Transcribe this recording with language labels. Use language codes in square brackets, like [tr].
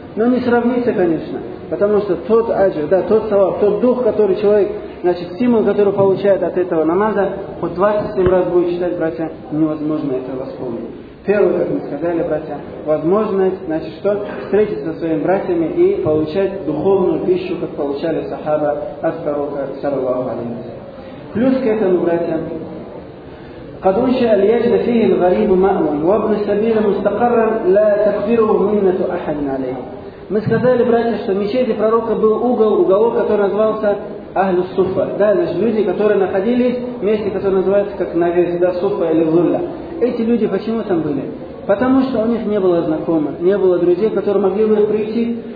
[ru] Но не сравнится, конечно, потому что тот аджр, да, тот салат, тот дух, который человек, значит, символ, который получает от этого намаза, по 27 раз будет читать, братья, невозможно это восполнить. Первое, как мы сказали, братья, возможность, значит, что? Встретиться со своими братьями и получать духовную пищу, как получали сахаба от пророка, саллаллаху алейхи ва саллям. Плюс к этому, братья, [ar] قد أنشأ ليجد فيه الغريب مأمن وابن السبيل مستقرا لا تكفره منة أحد عليه. [ru] Мы сказали, братья, что в мечети пророка был уголок, который назывался Ахлю Суфа. Да, значит, люди, которые находились в месте, которое называется как навес, да, Суфа или Зулля. Эти люди почему там были? Потому что у них не было знакомых, не было друзей, которые могли бы прийти.